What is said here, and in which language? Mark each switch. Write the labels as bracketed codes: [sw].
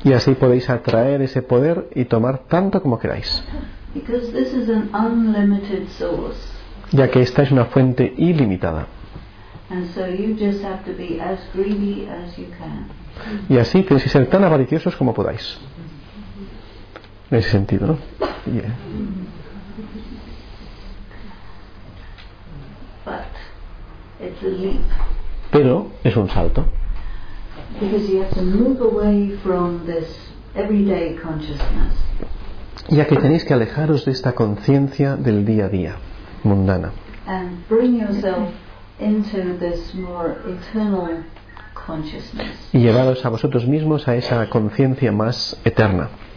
[es] Y así podéis atraer ese poder y tomar tanto como queráis. [en] Because this is an unlimited source. [es] Ya que esta es una fuente ilimitada. [en] And so you just have to be as greedy as you can. [es] Y así tenéis que ser tan avariciosos como podáis. En ese sentido, ¿no? [en] Yeah. But it's a leap. [es] Pero es un salto. [en] Because you have to move away from this everyday consciousness. [es] Ya que tenéis que alejaros de esta conciencia del día a día, mundana. [en] And bring yourself into this more eternal consciousness. [es] Y llevaros a vosotros mismos a esa conciencia más eterna.